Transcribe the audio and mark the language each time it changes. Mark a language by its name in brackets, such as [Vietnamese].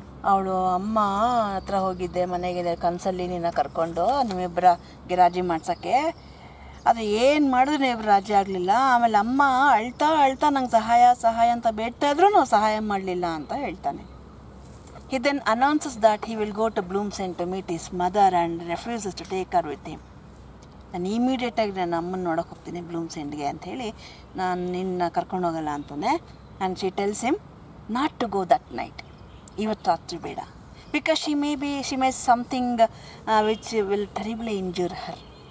[Kannada] ಅವಳು ಅಮ್ಮ ಹತ್ರ ಹೋಗಿದ್ದೆ ಮನೆಗೆ ಕನಸಲ್ಲಿ ನಿನ್ನ ಕರ್ಕೊಂಡು ನಿಮ್ಮಿಬ್ಬರ ಗಿರಾಜಿ ಮಾಡ್ಸೋಕ್ಕೆ. ಅದು ಏನು ಮಾಡಿದ್ರು ನೀವು ರಾಜಿ ಆಗಲಿಲ್ಲ. ಆಮೇಲೆ ಅಮ್ಮ ಅಳ್ತಾ ಅಳ್ತಾ ನಂಗೆ ಸಹಾಯ ಸಹಾಯ ಅಂತ ಬೇಡ್ತಾಯಿದ್ರು, ಸಹಾಯ ಮಾಡಲಿಲ್ಲ ಅಂತ ಹೇಳ್ತಾನೆ. [English] He then announces that he will go to Bloom's End to meet his mother and refuses to take her with him. [Kannada] ನಾನು ಇಮಿಡಿಯೇಟಾಗಿ ನನ್ನ ಅಮ್ಮನ ನೋಡೋಕೆ ಹೋಗ್ತೀನಿ ಬ್ಲೂಮ್ಸ್ ಎಂಡ್ಗೆ ಅಂಥೇಳಿ, ನಾನು ನಿನ್ನ ಕರ್ಕೊಂಡೋಗಲ್ಲ ಅಂತಾನೆ. [English] and she tells him not to go that night, [Kannada] ಇವತ್ತು ರಾತ್ರಿ ಬೇಡ, [English] Because she may something which will terribly injure her.